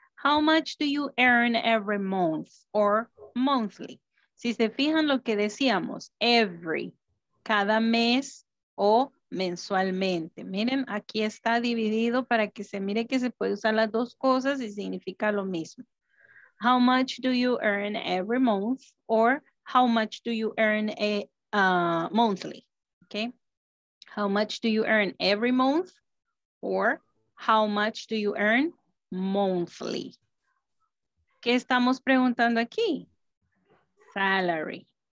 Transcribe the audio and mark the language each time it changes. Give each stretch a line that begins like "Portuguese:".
English: How much do you earn every month or monthly?
Spanish: Si se fijan lo que decíamos, every, cada mes o mensualmente. Miren, aquí está dividido para que se mire que se puede usar las dos cosas y significa lo mismo.
English: How much do you earn every month or how much do you earn monthly? Okay. How much do you earn every month? Or how much do you earn monthly?
Spanish: ¿Qué estamos preguntando aquí? Salary.